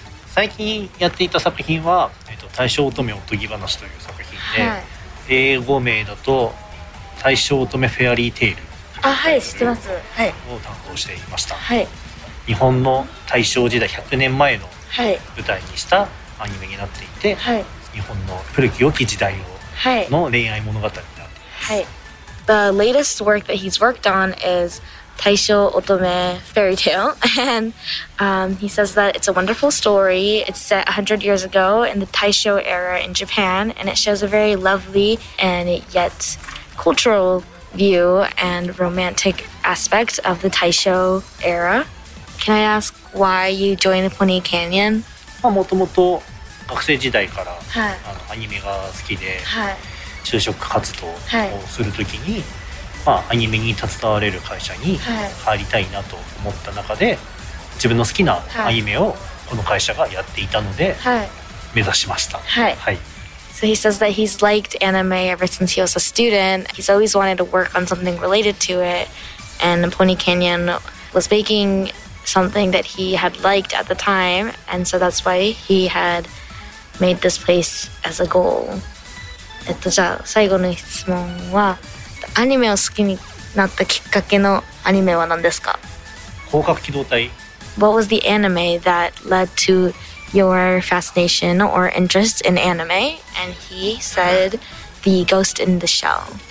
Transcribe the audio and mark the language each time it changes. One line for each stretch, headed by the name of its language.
Japanese: 最近やっていた作品は、大正乙女おとぎ話という作品で、はい、英語名だと大正乙女フェアリーテイル。あ、はい、知ってます。はい。を担当していました。はい。日本の大正時代100年前の舞台にしたアニメになっていて、はい、日本の古き良き時代をの恋愛物語になっています。 はい。
English: The latest work that he's worked on is 大正乙女 Fairy Tale, and he says that it's a wonderful story. It's set 100 years ago in the Taisho era in Japan, and it shows a very lovely and yet cultural view and romantic aspect of the Taisho era. Can I ask why you joined the Pony Canyon?
Japanese: Well, もともと学生時代から、はい、アニメが好きで、はい、就職活動をするときに、はい、まあ、アニメに携われる会社に入りたいなと思った中で、はい、自分の好きなアニメをこの会社がやっていたので、はい、目指しました。はい。はい。
English: So he says that he's liked anime ever since he was a student. He's always wanted to work on something related to it. And Pony Canyon was making... something that he had liked at the time and so that's why he had made this place as a goal.
Japanese: じゃあ最後の質問はアニメを好きになったきっかけのアニメは何ですか? 攻殻機動隊。
English: What was the anime that led to your fascination or interest in anime? And he said The Ghost in the Shell.